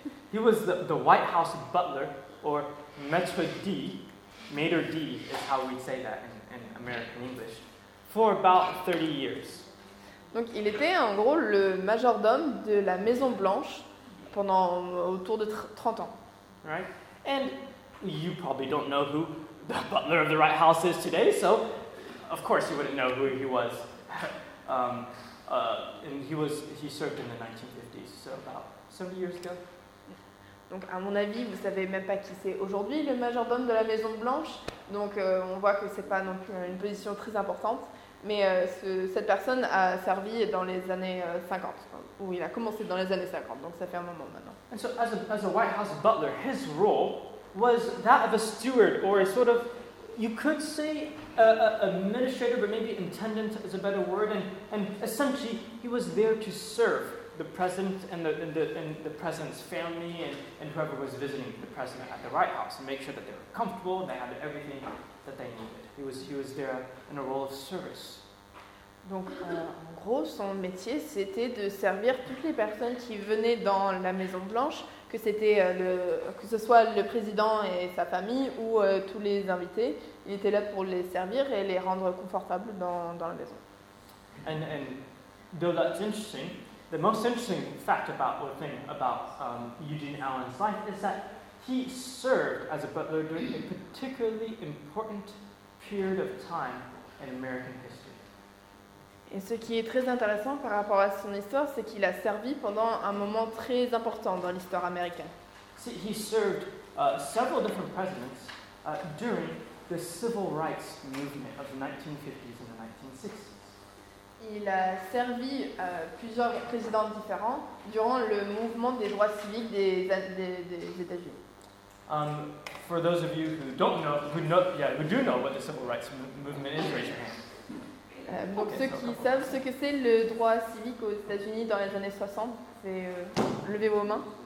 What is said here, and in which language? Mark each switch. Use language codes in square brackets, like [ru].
[en] He was the White House butler, or maître d', maître d' is how we'd say that in American English, for about 30 years. [fr] Donc il était en gros le majordome de la Maison Blanche pendant autour de 30 ans. [en] Right? And you probably don't know who the butler of the White House is today, so of course you wouldn't know who he was. He served in the 1950s, so about 70 years ago. [fr] Donc, à mon avis, vous ne savez même pas qui c'est aujourd'hui, le majordome de la Maison Blanche. Donc, on voit que ce n'est pas non plus une position très importante. Mais cette personne a servi dans les années 50, ou il a commencé dans les années 50. Donc, ça fait un moment maintenant. [en] And so, as a White House butler, his role was that of a steward, or a sort of, you could say, an administrator, but maybe intendant is a better word. And essentially, he was there to serve the president and the president's family and whoever was visiting the president at the White House and make sure that they were comfortable and they had everything that they needed. He was there in a role of service. [fr] Donc en gros son métier c'était de servir toutes les personnes qui venaient dans la Maison Blanche, que c'était que ce soit le président et sa famille ou tous les invités. Il était là pour les servir et les rendre confortables dans la maison. [en] And though that's interesting, the most interesting fact about Eugene Allen's life is that he served as a butler during a particularly important period of time in American history. [fr] Et ce qui est très intéressant par rapport à son histoire, c'est qu'il a servi pendant un moment très important dans l'histoire américaine. [en] See, he served several different presidents during the civil rights movement of the 1950s and the 1960s. [fr] Il a servi plusieurs présidents différents durant le mouvement des droits civiques des États-Unis. [en] For those of you who don't know, who do know what the civil rights movement is, raise your hand. [fr] Donc okay, ceux qui savent ce que c'est le droit civique aux États-Unis dans les années 60, c'est levez vos mains.